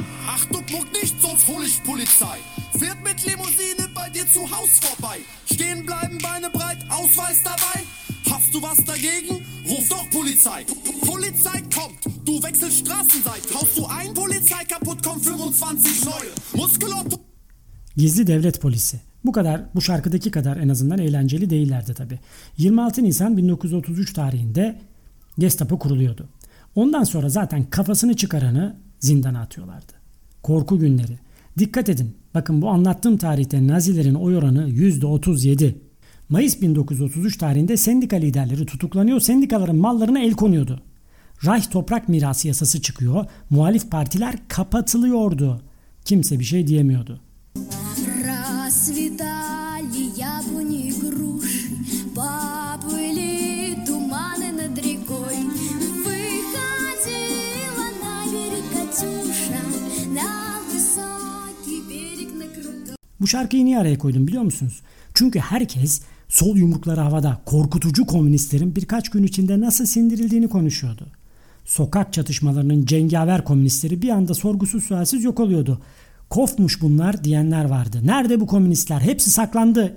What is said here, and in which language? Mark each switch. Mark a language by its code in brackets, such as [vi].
[de] Achtung, guck nicht, sonst hol ich Polizei. Fährt mit Limousine bei dir zu Haus vorbei. Stehen bleiben, Beine breit, Ausweis dabei. Hast du was dagegen? Ruf doch Polizei. Polizei kommt, du wechselst Straßenseite. Haust du ein Polizei kaputt, komm 25 neue. [tr] Muskelotto. Gizli devlet polisi. Bu kadar, bu şarkıdaki kadar en azından eğlenceli değillerdi tabii. 26 Nisan 1933 tarihinde Gestapo kuruluyordu. Ondan sonra zaten kafasını çıkaranı zindana atıyorlardı. Korku günleri. Dikkat edin, bakın bu anlattığım tarihte Nazilerin oy oranı %37. Mayıs 1933 tarihinde sendika liderleri tutuklanıyor, sendikaların mallarına el konuyordu. Reich toprak mirası yasası çıkıyor, muhalif partiler kapatılıyordu. Kimse bir şey diyemiyordu. [ru] Расцветали яблони и груши, поплыли туманы над рекой. Выходила на берег Катюша, на высокий берег на крутой. [tr] Bu şarkıyı niye araya koydum biliyor musunuz? Çünkü herkes sol yumrukları havada korkutucu komünistlerin birkaç gün içinde nasıl sindirildiğini konuşuyordu. Sokak çatışmalarının cengaver komünistleri bir anda sorgusuz sualsiz yok oluyordu. Kofmuş bunlar diyenler vardı. Nerede bu komünistler? Hepsi saklandı.